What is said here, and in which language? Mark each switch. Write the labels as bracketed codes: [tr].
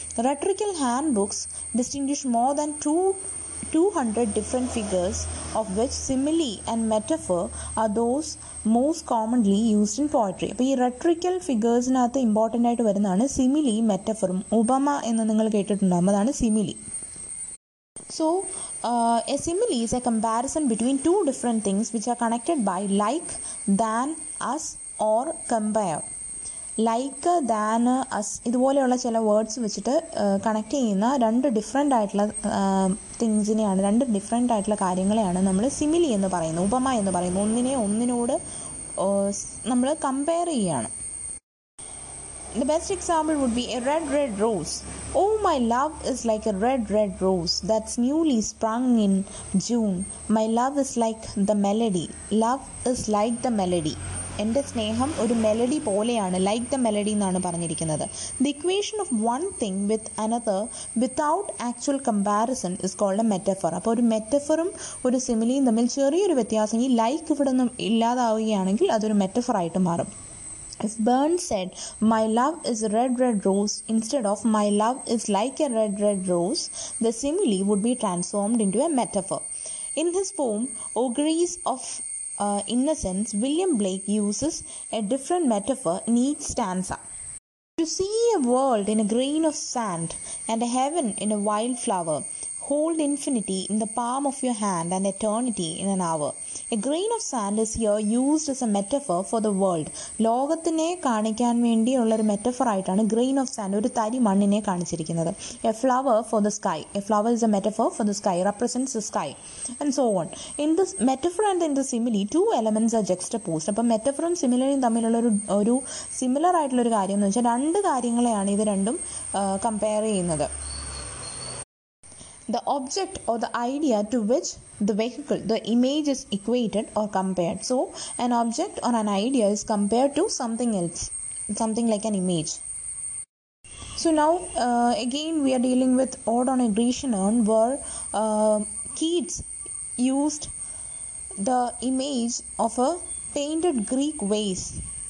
[en] Rhetorical hand books distinguish more than 200 different figures of which simile and metaphor are those most commonly used in poetry. [ml] അപ്പോൾ ഈ rhetorical ഫിഗേഴ്സിനകത്ത് important ആയിട്ട് വരുന്നതാണ് simile മെറ്റഫറും. ഉപമ എന്ന് നിങ്ങൾ കേട്ടിട്ടുണ്ടാകുമ്പോൾ അതാണ് simile. [en] So a simile is a comparison between two different things which are connected by like, than, us, or compare. [ml] Like, than, us, ഇതുപോലെയുള്ള ചില വേർഡ്സ് വെച്ചിട്ട് കണക്ട് ചെയ്യുന്ന രണ്ട് ഡിഫറെൻ്റ് ആയിട്ടുള്ള തിങ്സിനെയാണ് രണ്ട് ഡിഫറെൻ്റ് ആയിട്ടുള്ള കാര്യങ്ങളെയാണ് നമ്മൾ സിമിലി എന്ന് പറയുന്നത്, ഉപമ എന്ന് പറയുന്നത്. ഒന്നിനെ ഒന്നിനോട് നമ്മൾ കമ്പയർ ചെയ്യുകയാണ്. [en] The best example would be a red, red rose. Oh, my love is like a red, red rose that's newly sprung in June. My love is like the melody. Love is like the melody. [ml] എൻ്റെ സ്നേഹം ഒരു melody പോലെയാണ്, [en] like the melody [ml] എന്നാണ് പറഞ്ഞിരിക്കുന്നത്. [en] The equation of one thing with another without actual comparison is called a metaphor. [ml] അപ്പോൾ ഒരു മെറ്റഫറും ഒരു സിമിലിയും തമ്മിൽ ചെറിയൊരു വ്യത്യാസം, ഈ ലൈക്ക് ഇവിടെ നിന്നും ഇല്ലാതാവുകയാണെങ്കിൽ അതൊരു മെറ്റഫറായിട്ട് മാറും. [en] If Burns said, my love is a red, red rose, instead of my love is like a red, red rose, the simile would be transformed into a metaphor. In his poem, Ogres of Innocence, William Blake uses a different metaphor in each stanza. To see a world in a grain of sand and a heaven in a wild flower, hold infinity in the palm of your hand and eternity in an hour. A grain of sand is here used as a metaphor for the world. [ml] ലോകത്തിനെ കാണിക്കാൻ വേണ്ടിയുള്ള ഒരു metaphor ആയിട്ടാണ് [en] grain of sand [ml] ഒരു തരി മണ്ണിനെ കാണിച്ചിരിക്കുന്നത്. [en] A flower for the sky, a flower is a metaphor for the sky, represents the sky and so on. In the metaphor and in the simile two elements are juxtaposed. [ml] അപ്പോൾ മെറ്റഫറും സിമിലറും തമ്മിലുള്ള ഒരു similar ആയിട്ടുള്ളൊരു കാര്യം എന്ന് വെച്ചാൽ രണ്ട് കാര്യങ്ങളെയാണ് ഇത് രണ്ടും കമ്പയർ ചെയ്യുന്നത്. [en] The object or the idea to which the vehicle, the image is equated or compared. So, an object or an idea is compared to something else, something like an image. So, now again we are dealing with Ode on a Grecian Urn, where Keats used the image of a painted Greek vase.